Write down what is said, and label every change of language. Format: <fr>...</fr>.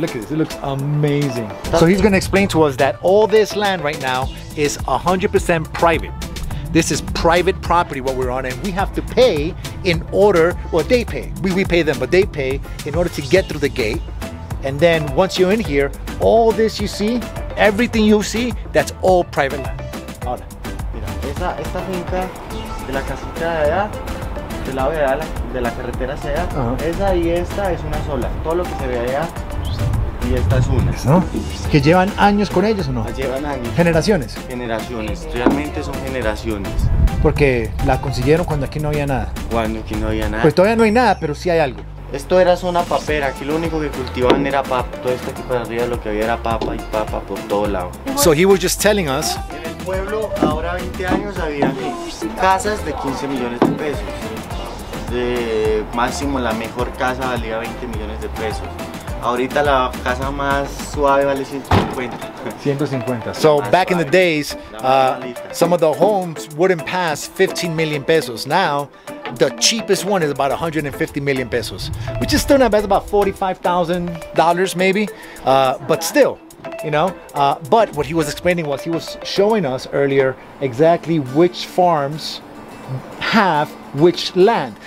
<en>Look at this, it looks amazing. So he's gonna explain to us that all this land right now is 100% private. This is private property what we're on, and we have to pay in order, well, they pay. We pay them, but they pay in order to get through the gate. And then once you're in here, all this you see, everything you see, that's all private land.</en> <es>Hola. Mira, esta finca de la casita de allá, de la vereda, de la carretera hacia allá, esa y esta es una sola. Todo lo que se ve allá y esta es una. ¿No? ¿Que llevan años con ellos o no? Llevan años. ¿Generaciones? Generaciones, realmente son generaciones. Porque la consiguieron cuando aquí no había nada. Cuando aquí no había nada. Pues todavía no hay nada, pero sí hay algo. Esto era zona papera, aquí lo único que cultivaban era papa. Todo esto aquí para arriba lo que había era papa y papa por todo lado.</es> <en>So he was just telling us.</en> <es>En el pueblo, ahora 20 años había casas de 15 millones de pesos. De máximo la mejor casa valía 20 millones de pesos. Ahorita la casa más suave vale 150.</es> <en>So back in the days, some of the homes wouldn't pass 15 million pesos. Now, the cheapest one is about 150 million pesos, which is still not bad, about $45,000 maybe. But still, you know, but what he was explaining was he was showing us earlier exactly which farms have which land.</en>